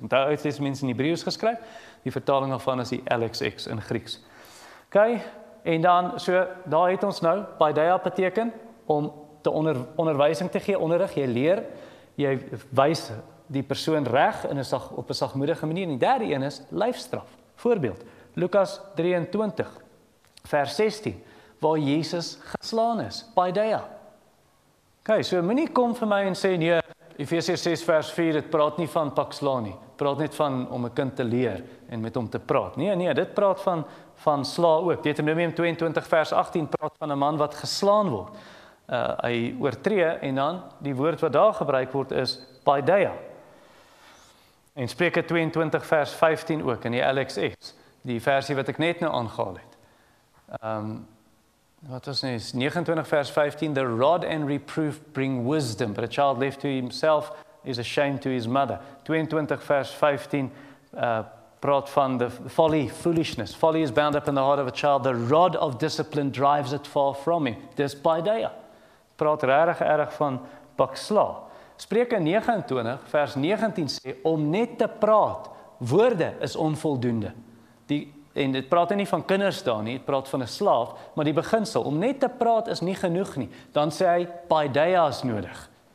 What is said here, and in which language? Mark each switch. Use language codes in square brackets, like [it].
[af] Want die Ou Testament is in Hebreeus geskryf, die vertaling daarvan is die LXX in Grieks. Ok, en dan, so, daar het ons nou, paideia beteken, om te onderwysing te gee, onderrig, jy leer, jy wys die persoon reg in een op 'n sagmoedige manier. En die derde een is lyfstraf. Voorbeeld, Lukas 23 vers 16, waar Jesus geslaan is, paideia. Ok, so moenie kom vir my en sê, nee, Efesiërs 6 vers 4, dit praat nie van paksla nie, praat net van om 'n kind te leer en met hom te praat. Nee, nee, dit praat van sla ook. Deuteronomium 22 vers 18 praat van 'n man wat geslaan word. Hy oortree en dan die woord wat daar gebruik word is paideia. En Spreuke 22 vers 15 ook in die LXX, die versie wat ek net nou aangehaal het. Wat was nie, 29 vers 15, [en] the rod and reproof bring wisdom, but a child left to himself is a shame to his mother. [af] 22 vers 15 praat van [en] the folly, foolishness. Folly is bound up in the heart of a child, the rod of discipline drives it far from him. [af] Dis paideia. Praat regtig erg van paksla. Spreuke 29 vers 19 sê, om net te praat, woorde is onvoldoende. En dit praat nie van kinders daar nie, dit praat van 'n slaaf, maar die beginsel, om net te praat is nie genoeg nie, dan sê hy, paideia is nodig.